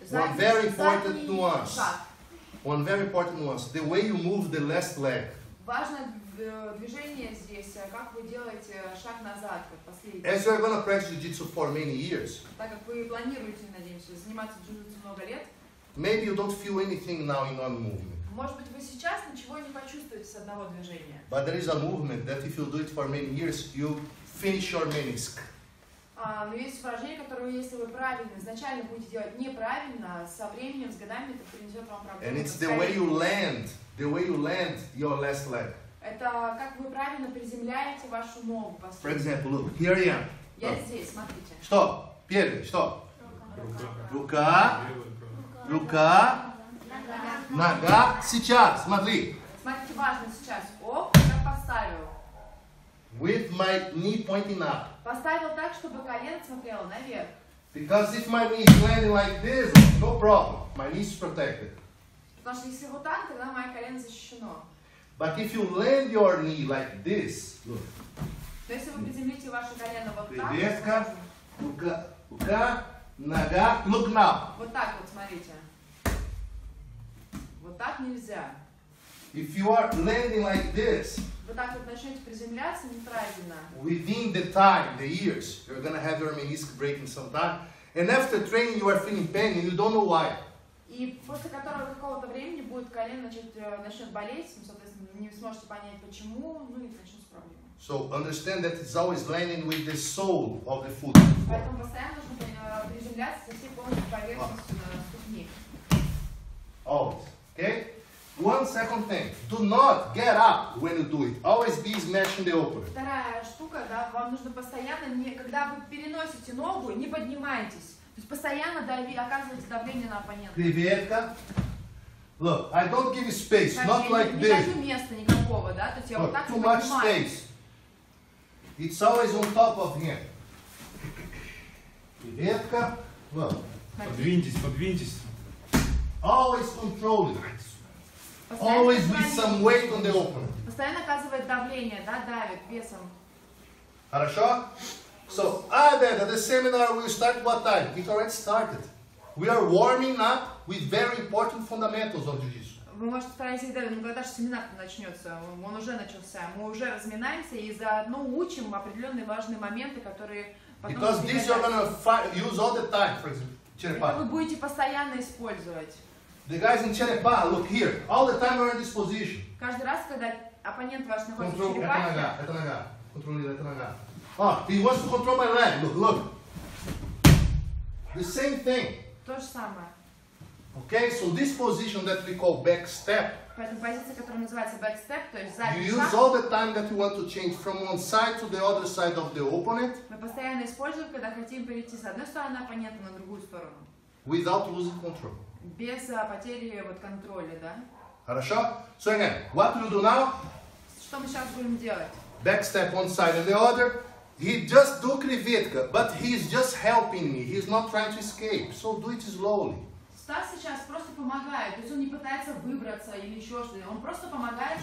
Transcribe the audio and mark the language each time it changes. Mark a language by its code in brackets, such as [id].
[ru] шаг. [en] One very important nuance. One very important nuance. The way you move the last leg. [ru] Важно движение здесь, как вы делаете шаг назад, как последний. [en] As you are going to practice jiu-jitsu for many years. [ru] Так как вы планируете, надеемся, заниматься джиу-джитсу много лет. [en] Maybe you don't feel anything now in one movement. [ru] Может быть, вы сейчас ничего не почувствуете с одного движения. [en] But there is a movement that if you do it for many years, you finish your menisk. [ru] Но есть упражнение, которое, если вы правильно, изначально будете делать неправильно, со временем, с годами, это принесет вам проблемы. [en] And it's the way you land, the way you land your last leg. [ru] Это как вы правильно приземляете вашу ногу, по сути. [en] For example, look, here I am. [ru] Я здесь, смотрите. Что? Первый, что? Рука. Рука. Нога. Нога. Сейчас, смотри. Смотрите, важно сейчас. Оп, я поставил. [en] With my knee pointing up. [ru] Поставил так, чтобы колено смотрело наверх. [en] Because if my knee is landing like this, no problem. My knee is protected. [ru] Потому что если вот так, тогда мое колено защищено. [en] But if you land your knee like this, look. [ru] То есть вы приземлите ваше колено вот так. Привеска. Рука. Рука. Нога, [en] look now. [ru] Вот так вот, смотрите. Вот так нельзя. [en] If you are landing like this, [ru] вот так вот начнете приземляться неправильно. [en] Within the time, the years, you're gonna have your menisk breaking sometime. And after training, you are feeling pain and you don't know why. [ru] И после которого какого-то времени будет колено начнет болеть, ну, соответственно, не сможете понять почему, ну и начнется проблема. So understand that it's always landing with the sole of the foot. Поэтому постоянно нужно приземляться со всей полностью поверхностью ступни. [en] Always, okay? One second thing. Do not get up when you do it. Always be smashing the opener. [ru] Вторая штука, да, вам нужно постоянно, когда вы переносите ногу, не поднимайтесь. То есть постоянно оказывайте давление на оппонента. Приветка. [en] Look, I don't give you space, not like this. [ru] Не даю места никакого, да, то есть я вот так не поднимаю. [en] Too much space. It's always on top of him. [ru] Приветка. Подвиньтесь, подвиньтесь. [en] Always control it. Always with some weight on the opponent. [ru] Постоянно оказывает давление, да, давит весом. Хорошо? [en] So, Деда, the seminar will start what time? It already started. We are warming up with very important fundamentals of jiu-jitsu. [ru] Вы можете спросить, да, ну когда же семинар начнется? Он уже начался. Мы уже разминаемся и заодно учим определенные важные моменты, которые потом... [en] Because this you're gonna use all the time, for example, Черепа. [ru] Вы будете постоянно использовать. [en] The guys in Черепа, look here, all the time are in this position. [ru] Каждый раз, когда оппонент ваш находится control, в Черепахе... Это нога, это нога. [en] Контролирует, это нога. He wants to control my leg, look, look. The same thing. [ru] То же самое. [en] Okay, so this position that we call back step. [ru] Поэтому позиция, которая называется back step, то есть задний шаг. [en] You use all the time that you want to change from one side to the other side of the opponent. [ru] Мы постоянно используем, когда хотим перейти с одной стороны оппонента на другую сторону. [en] Without losing control. [ru] Без потери вот контроля, да? Хорошо. [en] So again, what do you do now? [ru] Что мы сейчас будем делать? [en] Back step one side and the other. He just do krivetka, but he is just helping me. He's not trying to escape. So do it slowly. [ru] Стас сейчас просто помогает, то есть он не пытается выбраться или еще что-то, он просто помогает.